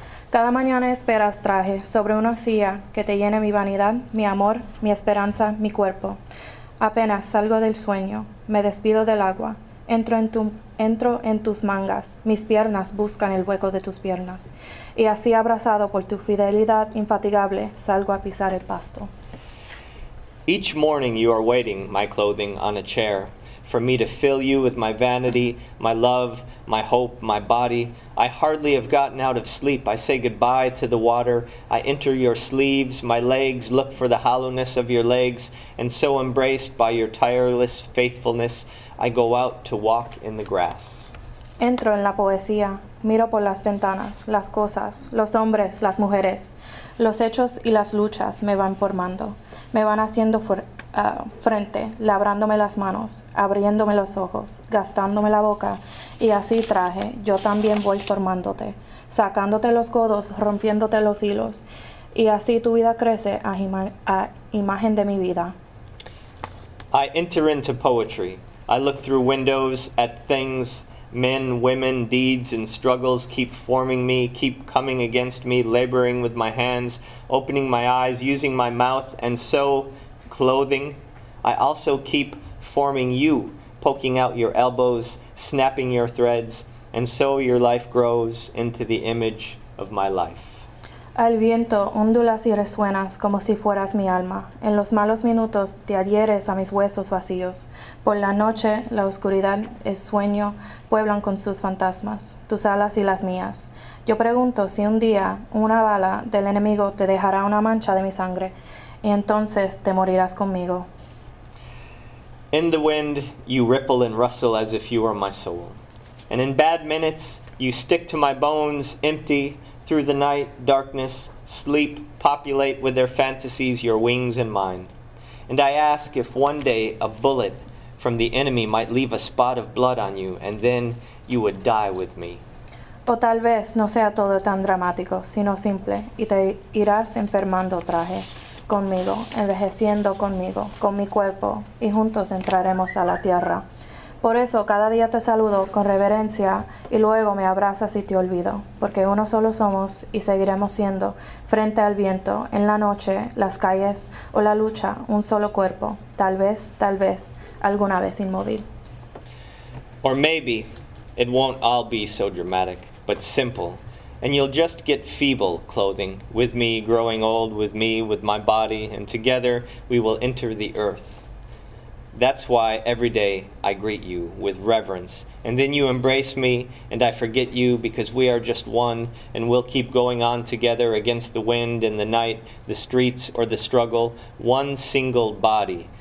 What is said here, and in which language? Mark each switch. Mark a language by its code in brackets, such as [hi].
[es] Cada mañana esperas traje sobre una silla que te llene mi vanidad, mi amor, mi esperanza, mi cuerpo. Apenas salgo del sueño, me despido del agua, entro en tus mangas, mis piernas buscan el hueco de tus piernas. Y así abrazado por tu fidelidad infatigable, salgo a pisar el pasto. [en] Each morning you are waiting, my clothing, on a chair. For me to fill you with my vanity, my love, my hope, my body. I hardly have gotten out of sleep. I say goodbye to the water. I enter your sleeves, my legs, look for the hollowness of your legs, and so embraced by your tireless faithfulness, I go out to walk in the grass. [es] Entro en la poesía, miro por las ventanas, las cosas, los hombres, las mujeres. Los hechos y las luchas me van formando, me van haciendo frente, labrándome las manos, abriéndome los ojos, gastándome la boca, y así traje, yo también voy formándote, sacándote los codos, rompiéndote los hilos, y así tu vida crece a imagen de mi vida. [en] I enter into poetry. I look through windows at things. Men, women, deeds, and struggles keep forming me, keep coming against me, laboring with my hands, opening my eyes, using my mouth, and so clothing. I also keep forming you, poking out your elbows, snapping your threads, and so your life grows into the image of my life. [es] Al viento ondulas y resuenas como si fueras mi alma. En los malos minutos te adhieres a mis huesos vacíos. Por la noche, la oscuridad, el sueño, pueblan con sus fantasmas, tus alas y las mías. Yo pregunto si un día una bala del enemigo te dejará una mancha de mi sangre, y entonces te morirás conmigo. [en] In the wind, you ripple and rustle as if you were my soul. And in bad minutes, you stick to my bones, empty, through the night, darkness, sleep, populate with their fantasies your wings and mine. And I ask if one day a bullet from the enemy might leave a spot of blood on you, and then you would die with me. [es] O tal vez no sea todo tan dramático, sino simple, y te irás enfermando, traje, conmigo, envejeciendo conmigo, con mi cuerpo, y juntos entraremos a la tierra. Por eso cada día te saludo con reverencia y luego me abrazas y te olvido, porque uno solo somos y seguiremos siendo, frente al viento, en la noche, las calles o la lucha, un solo cuerpo, tal vez, alguna vez inmóvil. [en] Or maybe it won't all be so dramatic, but simple, and you'll just get feeble clothing, with me growing old, with me, with my body, and together we will enter the earth. That's why every day I greet you with reverence, and then you embrace me, and I forget you, because we are just one, and we'll keep going on together against the wind and the night, the streets or the struggle, one single body.